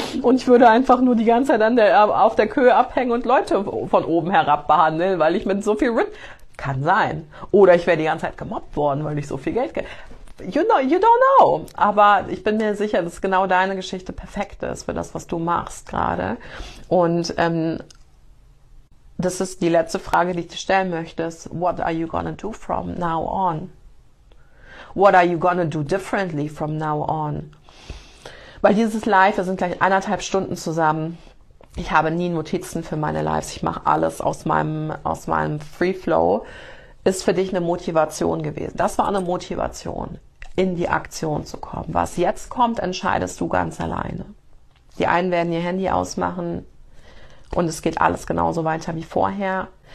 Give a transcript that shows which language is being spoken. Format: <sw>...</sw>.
<de>Und ich würde einfach nur die ganze Zeit auf der Köhe abhängen und Leute von oben herab behandeln, weil ich mit so viel Rit kann sein. Oder ich wäre die ganze Zeit gemobbt worden, weil ich so viel Geld kenne.</de> <en>You don't know.</en> <de>Aber ich bin mir sicher, dass genau deine Geschichte perfekt ist für das, was du machst gerade. Und das ist die letzte Frage, die ich dir stellen möchte.</de> <en>What are you gonna do from now on? What are you gonna do differently from now on?</en> <de>Weil dieses Live, wir sind gleich 1,5 Stunden zusammen. Ich habe nie Notizen für meine Lives. Ich mache alles aus meinem Free Flow. Ist für dich eine Motivation gewesen? Das war eine Motivation, in die Aktion zu kommen. Was jetzt kommt, entscheidest du ganz alleine. Die einen werden ihr Handy ausmachen und es geht alles genauso weiter wie vorher.</de>